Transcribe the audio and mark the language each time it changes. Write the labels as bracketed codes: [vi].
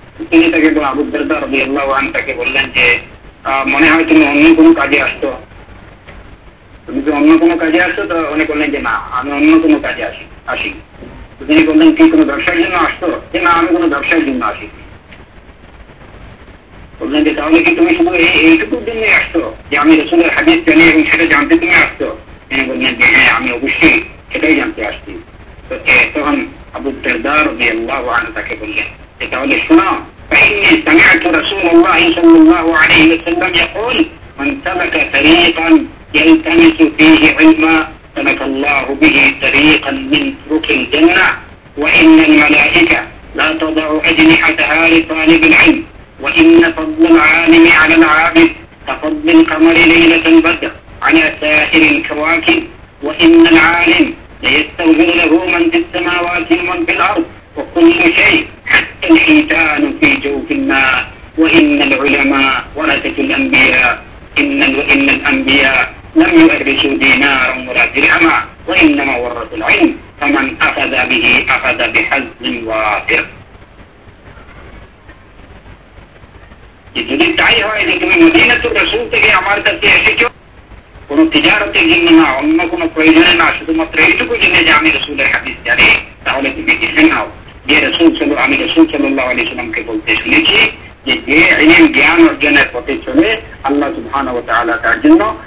[bn] তিনি তাকে আবু দারদা রাদিয়াল্লাহু আনহু তাকে বললেন যে মনে হয় তুমি অন্য কোনো কাজে আসতো, তুমি যদি অন্য কোনো কাজে আসতো তো উনি বললেন যে না আমি অন্য কোনো কাজে আসি। তিনি বললেন কি কোনো ব্যবসার জন্য আসতো, যে না আমি কোনো ব্যবসার জন্য আসি। বললেন যে তাহলে কি তুমি শুধু এইটুকুর জন্য আসতো যে আমি রসুলের হাদিস জানি এবং সেটা জানতে তুমি আসতো? তিনি বললেন যে হ্যাঁ আমি অবশ্যই সেটাই জানতে আসছি। তো তখন আবু দারদা রাদিয়াল্লাহু আনহু তাকে বললেন তাহলে শোনো, [ar] فإني سمعت رسول الله صلى الله عليه وسلم يقول من سلك طريقا يلتمس فيه علما سلك الله به طريقا من طرق الجنة وإن الملائكة لا تضع أجنحتها لطالب العلم وإن فضل العالم على العابد كفضل القمر ليلة البدر على سائر الكواكب وإن العالم ليستوهن له من في السماوات ومن في الأرض وكل شيء حتى الحيتان في جوف النار وإن العلماء ورثة الأنبياء إن الأنبياء لم يورثوا دينارا ولا درهما وإنما ورثوا العلم فمن أخذ به أخذ بحظ وافر. [bn] যদি তাই হয় যে তুমি মদিনাতুর রাসূল থেকে আমার কাছে এসেছ কোন তিজারতের জন্য না অন্য কোন প্রয়োজনে না শুধুমাত্র এইটুকু জেনে যে আমি রাসূলের হাদিস জানি তাহলে তুমি জেনে নাও যে রাসূল ছিল আমি রাসূল সাল্লাল্লাহু আলাইহি সাল্লামকে বলতে শুনেছি যে যে ইলম জ্ঞান অর্জনের পথে চলে আল্লাহ সুবহানাহু ওয়া তাআলা তার জন্য